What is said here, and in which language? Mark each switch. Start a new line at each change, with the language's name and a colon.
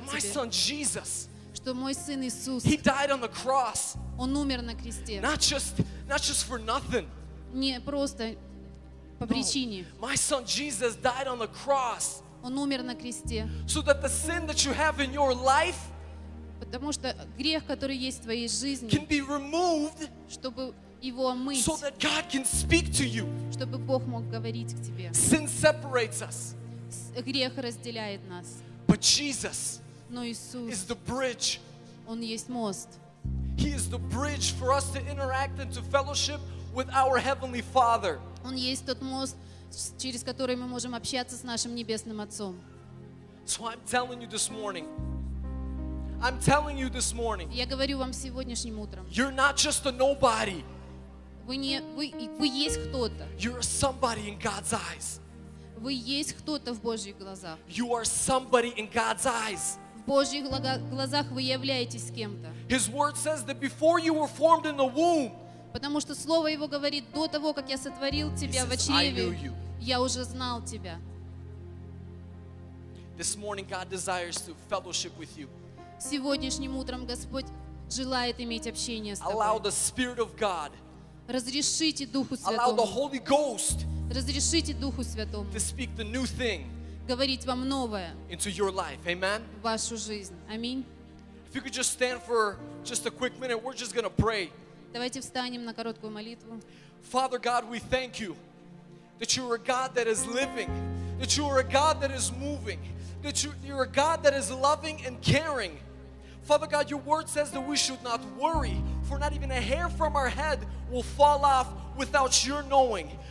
Russian: тебе.
English: My son Jesus.
Russian: Что мой сын Иисус.
English: He died on the cross.
Russian: Он умер на кресте.
English: Not just for nothing.
Russian: Не просто по причине.
English: My son Jesus died on the cross.
Russian: Он умер на кресте.
English: So that the sin that you have in your life.
Russian: Потому что грех, который есть в твоей жизни.
English: Can be removed.
Russian: Чтобы
English: So that God can speak to you.
Russian: Чтобы Бог мог говорить к тебе.
English: Sin separates us.
Russian: Грех разделяет нас.
English: But Jesus.
Russian: Но Иисус.
English: Is the bridge.
Russian: Он есть мост.
English: He is the bridge for us to interact and to fellowship with our heavenly Father.
Russian: Он есть тот мост, через который мы можем общаться с нашим небесным Отцом.
English: So I'm telling you this morning. I'm telling you this morning.
Russian: Я говорю вам сегодняшним утром.
English: You're not just a nobody.
Russian: Вы есть кто-то.
English: You're somebody in God's eyes.
Russian: Вы есть кто-то в Божьих глазах.
English: You are somebody in God's eyes.
Russian: В Божьих глазах вы являетесь кем-то.
English: His word says that before you were formed in the womb.
Russian: Потому что слово его говорит до того, как я сотворил тебя в чреве. Я уже знал тебя.
English: This morning God desires to fellowship with you.
Russian: Сегодняшним утром Господь желает иметь общение с тобой.
English: Allow the Spirit of God.
Russian: Разрешите Духу Святому.
English: Allow the Holy Ghost.
Russian: Разрешите Духу Святому.
English: To speak the new thing.
Russian: Говорить вам новое.
English: Into your life. Amen.
Russian: В вашу жизнь. Аминь.
English: If you could just stand for just a quick minute, we're just going to pray.
Russian: Давайте встанем на короткую молитву.
English: Father God, we thank you that you are a God that is living, that you are a God that is moving, that you're a God that is loving and caring. Father God, your word says that we should not worry, for not even a hair from our head will fall off without your knowing.